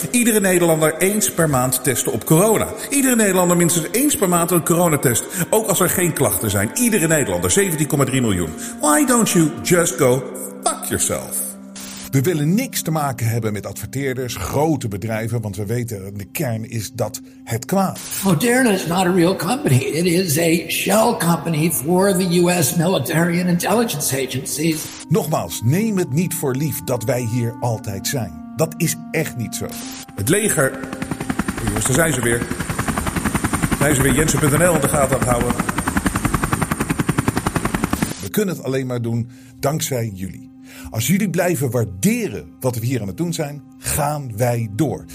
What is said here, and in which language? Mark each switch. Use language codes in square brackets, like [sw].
[nl] Iedere Nederlander eens per maand testen op corona. Iedere Nederlander minstens eens per maand een coronatest. Ook als er geen klachten zijn. Iedere Nederlander, 17,3 miljoen. [en] Why don't you just go fuck yourself? [nl] We willen niks te maken hebben met adverteerders, grote bedrijven, want we weten, de kern is dat het kwaad. [en] Moderna is not a real company. It is a shell company for the US military and intelligence agencies. [nl] Nogmaals, neem het niet voor lief dat wij hier altijd zijn. Dat is echt niet zo. Het leger. Jongens, daar zijn ze weer. Daar zijn ze weer. Jensen.nl in de gaten aan het houden. We kunnen het alleen maar doen dankzij jullie. Als jullie blijven waarderen wat we hier aan het doen zijn, gaan wij door.